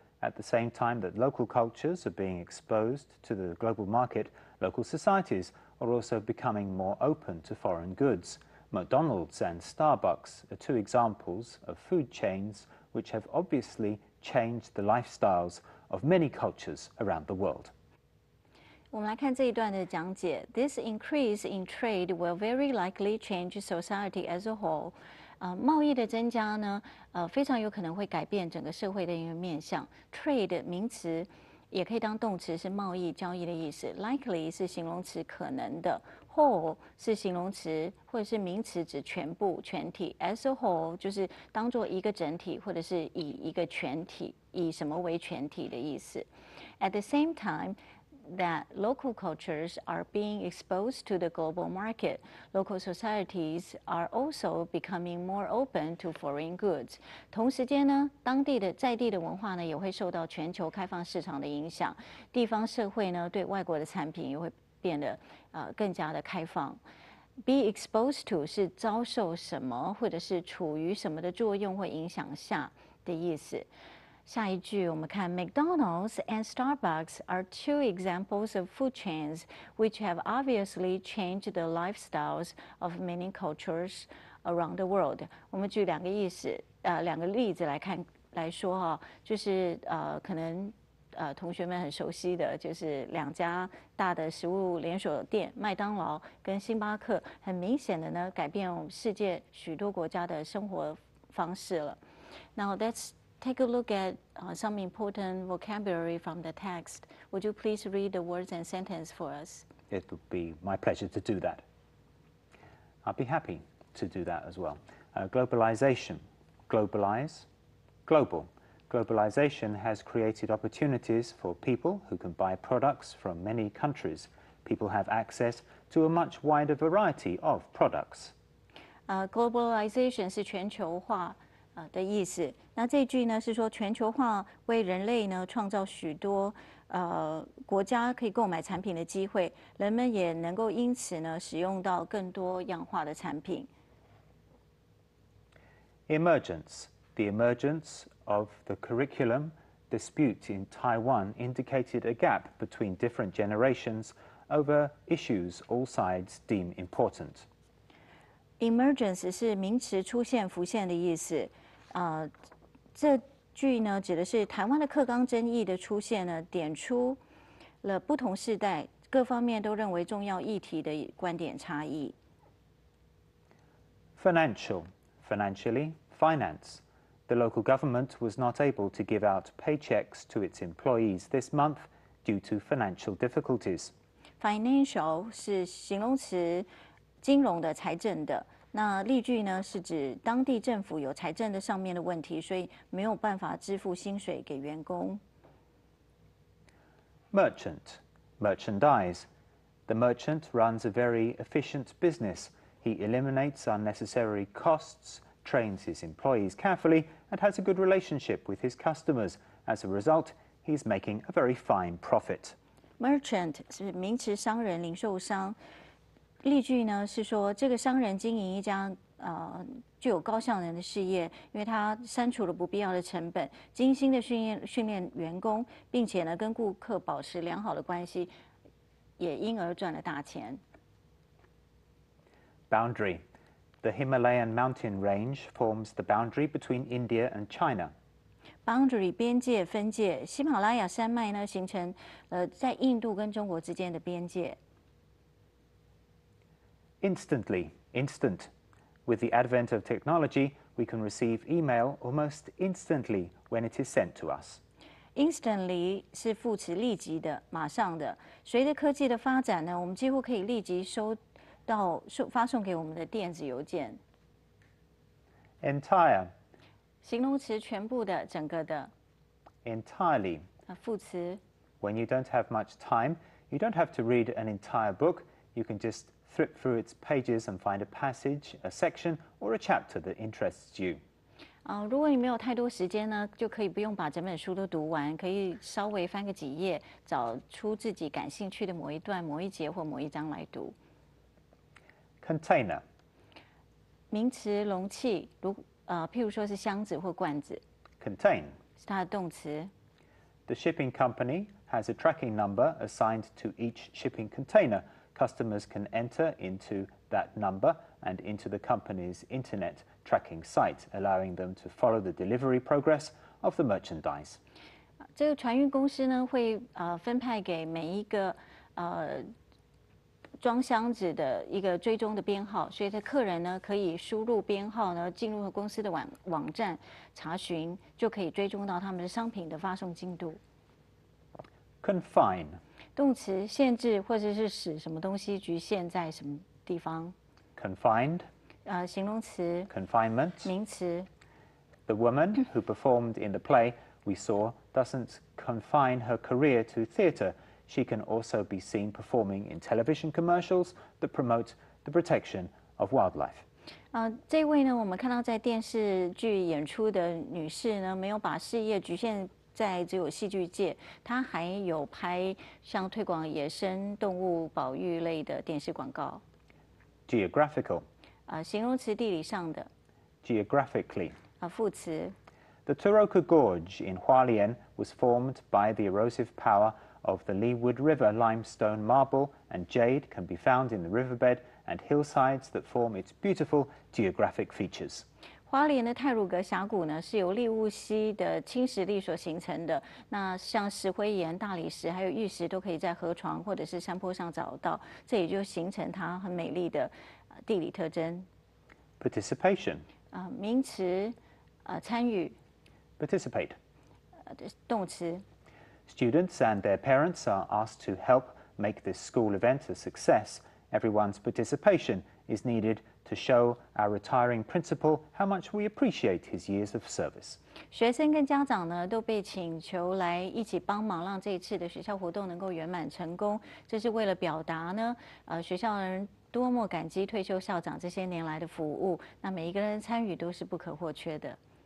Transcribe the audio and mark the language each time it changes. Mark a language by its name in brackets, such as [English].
[English] At the same time that local cultures are being exposed to the global market, local societies are also becoming more open to foreign goods. McDonald's and Starbucks are two examples of food chains which have obviously changed the lifestyles of many cultures around the world. [Chinese] 我们来看这一段的讲解。 [English] This increase in trade will very likely change society as a whole. [Chinese] 贸易的增加呢，非常有可能会改变整个社会的一个面向。 Trade 名词也可以当动词，是贸易、交易的意思。 Likely 是形容词，可能的。Whole 是形容词或者是名词，指全部、全体。 As a whole 就是当作一个整体，或者是以一个全体，以什么为全体的意思。 [English] At the same time that local cultures are being exposed to the global market, local societies are also becoming more open to foreign goods. [Chinese] 同时间呢，当地的在地的文化呢，也会受到全球开放市场的影响。地方社会呢，对外国的产品也会变得更加的开放。 Be exposed to 是遭受什么，或者是处于什么的作用或影响下的意思。下一句我们看 [English] McDonald's and Starbucks are two examples of food chains which have obviously changed the lifestyles of many cultures around the world. [Chinese] 我们举两个意思，两个例子来看来说哈，就是可能。同学们很熟悉的就是两家大的食物连锁店麦当劳跟星巴克，很明显的呢改变世界许多国家的生活方式了。 [English] Now let's take a look at some important vocabulary from the text. Would you please read the words and sentence for us? It would be my pleasure to do that. I'd be happy to do that as well. Globalization. Globalize. Global. Globalization has created opportunities for people who can buy products from many countries. People have access to a much wider variety of products. [Chinese] Globalization 是全球化的意思。那这句呢是说全球化为人类呢创造许多国家可以购买产品的机会，人们也能够因此呢使用到更多样化的产品。 [English] Emergence, the emergence. Of the curriculum dispute in Taiwan indicated a gap between different generations over issues all sides deem important. [Chinese] Emergence 是名词，出现、浮现的意思。这句呢指的是台湾的课纲争议的出现呢，点出了不同世代各方面都认为重要议题的观点差异。 [English] Financial, financially, finance. The local government was not able to give out paychecks to its employees this month due to financial difficulties. [Chinese] Financial 是形容词，金融的、财政的。那例句呢，是指当地政府有财政的上面的问题，所以没有办法支付薪水给员工。 [English] Merchant, merchandise. The merchant runs a very efficient business. He eliminates unnecessary costs, trains his employees carefully, and has a good relationship with his customers. As a result, he is making a very fine profit. [Chinese] Merchant 是名词，商人、零售商。例句呢是说，这个商人经营一家具有高效能的事业，因为他删除了不必要的成本，精心的训练员工，并且呢跟顾客保持良好的关系，也因而赚了大钱。 [English] Boundary, the Himalayan mountain range forms the boundary between India and China. [Chinese] Boundary 边界分界，喜马拉雅山脉呢形成在印度跟中国之间的边界。 [English] Instantly, instant. With the advent of technology, we can receive email almost instantly when it is sent to us. [Chinese] Instantly 是副词，立即的，马上的。随着科技的发展呢，我们几乎可以立即收到发送给我们的电子邮件。 [English] Entire, [Chinese] 形容词，全部的，整个的。 [English] Entirely, [Chinese] 副词。 [English] When you don't have much time, you don't have to read an entire book. You can just thrip through its pages and find a passage, a section, or a chapter that interests you. [Chinese] 如果你没有太多时间呢，就可以不用把整本书都读完，可以稍微翻个几页，找出自己感兴趣的某一段、某一节或某一章来读。 [English] Container. [Chinese] 名词，容器，譬如说是箱子或罐子。 [English] Contain. [Chinese] 是它的动词。 [English] The shipping company has a tracking number assigned to each shipping container. Customers can enter into that number and into the company's internet tracking site, allowing them to follow the delivery progress of the merchandise. [Chinese] 这个船运公司呢，会分派给每一个装箱子的一个追踪的编号，所以的客人呢可以输入编号呢进入公司的网站查询，就可以追踪到他们的商品的发送进度。 [English] Confine. [Chinese] 动词，限制或者是使什么东西局限在什么地方。 [English] Confined. [Chinese] 形容词。 [English] Confinement. [Chinese] 名词。 [English] The woman who performed in the play we saw doesn't confine her career to theatre. She can also be seen performing in television commercials that promote the protection of wildlife. [Chinese] 这位呢，我们看到在电视剧演出的女士呢，没有把事业局限。在只有戏剧界，他还有拍像推广野生动物保育类的电视广告。 [English] Geographical， [Chinese] 形容词，地理上的。 [English] Geographically， [Chinese] 副词。 [English] The Taroko Gorge in Hualien was formed by the erosive power of the Leeward River. Limestone, marble, and jade can be found in the riverbed and hillsides that form its beautiful geographic features. [Chinese] 花莲的太鲁阁峡谷呢，是由利物溪的侵蚀力所形成的。那像石灰岩、大理石还有玉石，都可以在河床或者是山坡上找到。这也就形成它很美丽的地理特征。 [English] Participation， [Chinese] 名词，参与。 [English] Participate， [Chinese] 动词。 [English] Students and their parents are asked to help make this school event a success. Everyone's participation is needed. To show our retiring principal how much we appreciate his years of service. [Chinese] 学生跟家长呢都被请求来一起帮忙，让这一次的学校活动能够圆满成功。这是为了表达呢，学校人多么感激退休校长这些年来的服务。那每一个人参与都是不可或缺的。